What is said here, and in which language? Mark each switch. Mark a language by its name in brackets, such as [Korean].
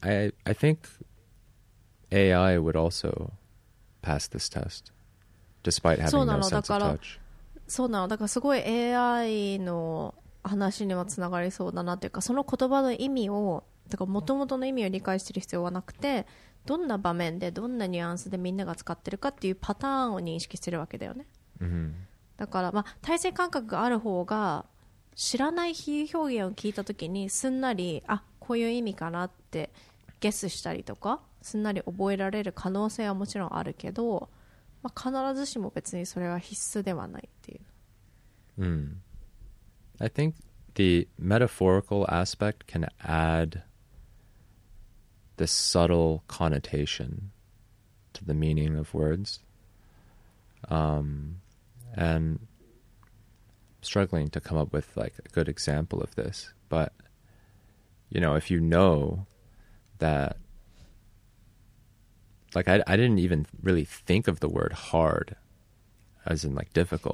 [English] I think AI would also pass this test despite having no sense of touch. [Japanese] そうなの。だからすごい AI の話にはつながりそうだなというか、その言葉の意味を、だから元々の意味を理解している必要はなくて、どんな場面でどんなニュアンスでみんなが使ってるかっていうパターンを認識してるわけだよね。だから、まあ、体制感覚がある方が知らない比喩表現を聞いたときにすんなり、あ、こういう意味かなってゲスしたりとかすんなり覚えられる可能性はもちろんあるけど、まあ、必ずしも別にそれは必須ではないっていう。 [English] I think the metaphorical aspect can add the subtle connotation to the meaning of words. And struggling to come up with like a good example of this, but you know, if you know that, like I didn't even really think of the word hard as in like difficult.